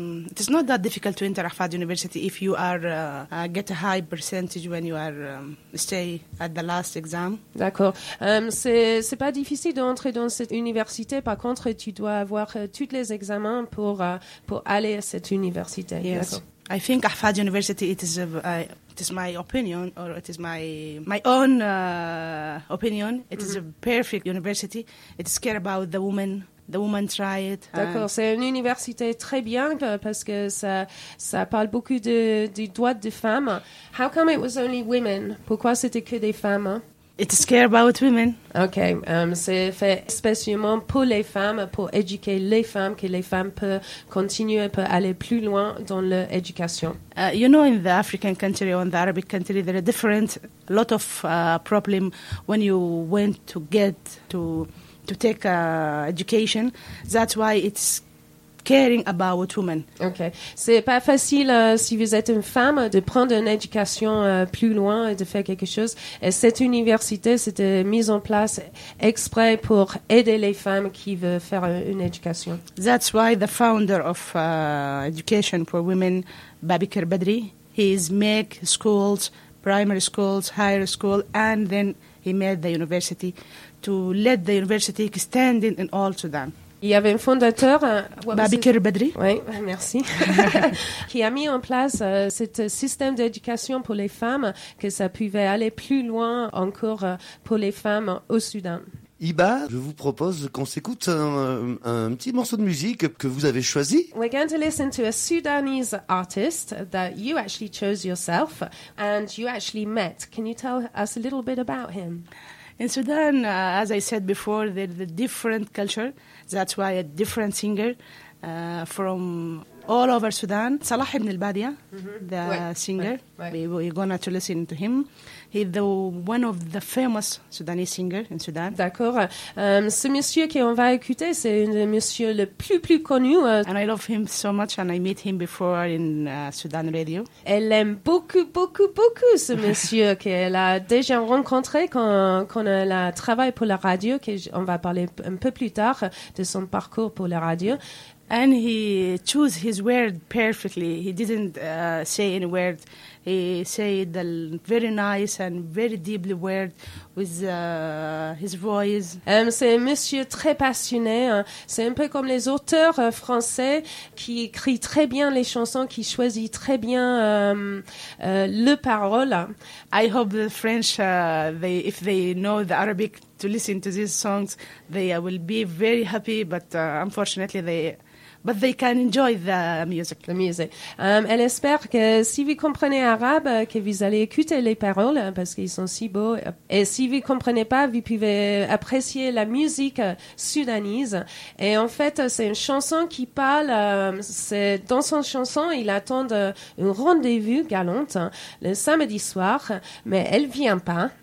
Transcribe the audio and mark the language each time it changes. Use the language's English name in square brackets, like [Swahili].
[English] It is not that difficult to enter Ahfad University if you are get a high percentage when you are stay at the last exam. [French] D'accord. C'est pas difficile d'entrer dans cette université. Par contre, tu dois avoir tous les examens pour aller à cette université. [English] Yes. D'accord. I think Ahfad University. It is my opinion, or it is my own opinion. It is a perfect university. It is care about the women. The woman tried. [French] D'accord, c'est une université très bien parce que ça parle beaucoup de droits de femmes. [English] How come it was only women? [French] Pourquoi c'était que des femmes? [English] It's care about women. [French] Okay, c'est fait spécialement pour les femmes, pour éduquer les femmes, que les femmes peuvent continuer, peuvent aller plus loin dans leur éducation. [English] You know, in the African country or in the Arabic country, there are different lot of problems when you went to get to take education. That's why it's caring about women. Okay. [French] C'est pas facile si vous êtes une femme de prendre une éducation plus loin et de faire quelque chose. Et cette université, c'était mise en place exprès pour aider les femmes qui veulent faire une éducation. [English] That's why the founder of education for women, Babiker Badri, he make schools, primary schools, higher school, and then he made the university to let the university extend in all Sudan. [French] Il y avait un fondateur, Babiker Badri. Oui, merci. Qui a mis en place ce système d'éducation pour les femmes, que ça pouvait aller plus loin encore pour les femmes au Soudan. Iba, je vous propose qu'on s'écoute un petit morceau de musique que vous avez choisi. [English] We're going to listen to a Sudanese artist that you actually chose yourself and you actually met. Can you tell us a little bit about him? In Sudan, as I said before, there's a different culture. That's why a different singer from all over Sudan. Salah ibn al-Badia, the singer, we're going to listen to him. He's the one of the famous Sudanese singer in Sudan. [French] D'accord. Ce monsieur qui on va écouter, c'est un monsieur le plus connu. [English] And I love him so much, and I meet him before in Sudan Radio. [French] Elle aime beaucoup ce monsieur qu'elle a déjà rencontré quand elle a travaillé pour la radio. On va parler un peu plus tard de son parcours pour la radio. [English] And he chose his word perfectly. He didn't say any word. He said a very nice and very deeply word with his voice. [French] C'est un monsieur très passionné. C'est un peu comme les auteurs français qui écrit très bien les chansons, qui choisit très bien le parole. [English] I hope the French, if they know the Arabic, to listen to these songs, they will be very happy. But unfortunately, But they can enjoy the music. The music. [French] Elle espère que si vous comprenez arabe, que vous allez écouter les paroles parce qu'ils sont si beaux. Et si vous comprenez pas, vous pouvez apprécier la musique sudanaise. Et en fait, c'est une chanson qui parle. C'est dans son chanson, il attend un rendez-vous galante le samedi soir, mais elle vient pas.